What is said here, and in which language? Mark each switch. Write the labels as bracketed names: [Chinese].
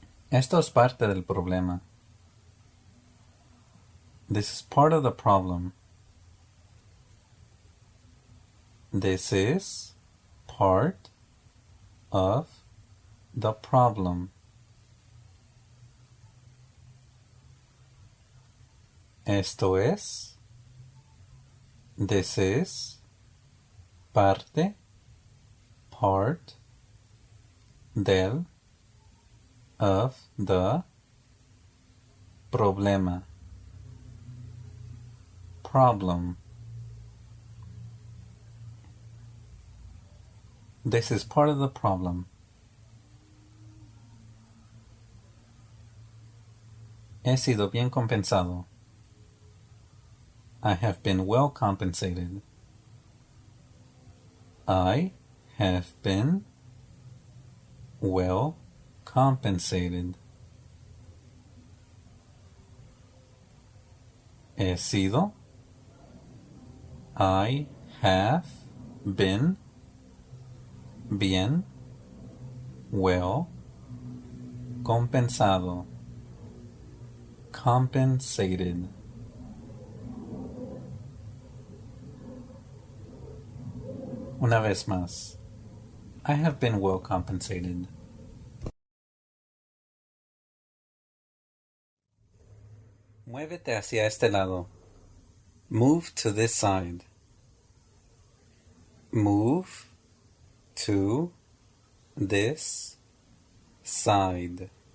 [Spanish] Esto es parte del problema. [English] This is part of the problem. This is part of the problem. [Spanish] Esto es, [English] this is, [Spanish] parte, [English] part, [Spanish] del, [English] of, the, [Spanish] problema, [English] problem. This is part of the problem. [Spanish] He sido bien compensado. [English] I have been well compensated. I have been well compensated. [Spanish] He sido. [English] I have been [Spanish] bien [English] well [Spanish] compensado. [English] Compensated. [Spanish] Una vez más, [English] I have been well compensated. [Spanish] Muévete hacia este lado. [English] Move to this side. Move to this side.